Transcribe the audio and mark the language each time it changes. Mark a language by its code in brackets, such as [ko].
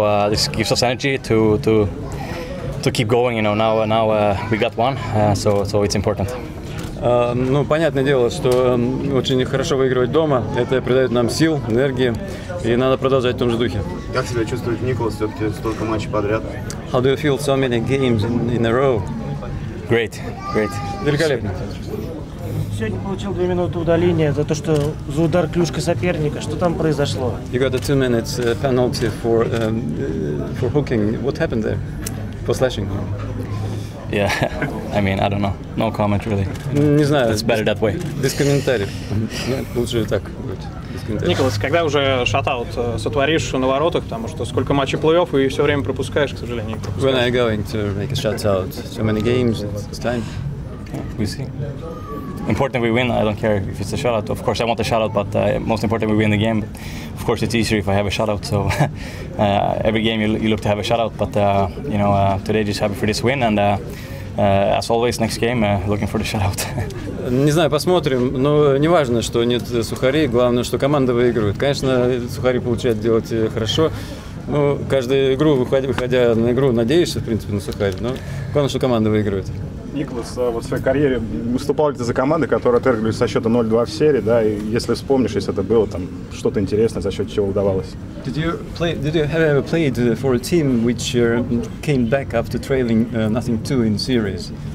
[en] This gives us energy to keep going, you know. Now we got one, so it's important. [ru] Ну, понятное дело, что очень хорошо выигрывать дома. Это придает нам сил, энергии, и надо продолжать в том же духе. Как себя чувствует Николас, все-таки столько матчей подряд? [en] How do you feel so many games in a row? Great. [ru] Великолепно. Сегодня получил 2 минуты удаления за то, что за удар клюшкой соперника. Что там произошло? [en] You got a 2-minute penalty for hooking. What happened there? For slashing. Yeah, I mean, I don't know. No comment, really. [ru] Не знаю. [en] It's better that way. [ru] Без комментариев. Лучше так будет. Николас, когда уже шатаут сотворишь на воротах, потому что сколько матчей плей-офф и все время пропускаешь, к сожалению. [en] When are you going to make a shutout? So many games, it's time. We see. Important we win. I don't care if it's a shutout. Of course, I want a shutout, but most important we win the game. But of course, it's easier if I have a shutout. So every game you look to have a shutout, but you know today just happy for this win and as always next game looking for the shutout. [ru] Не знаю, посмотрим. Но не важно, что нет сухарей. Главное, что команда выигрывает. Конечно, сухари получают делать хорошо. Ну, каждую игру выходя на игру надеешься, в принципе, на сухари. Но главное, что команда выигрывает. Николас, в своей карьере выступал ли ты за команды, которые отыгрывали со счета 0-2 в серии, да, и если вспомнишь, если это было там что-то интересное, за счет чего удавалось? [en] Did you ever played for a team which came back after trailing nothing 2 in series?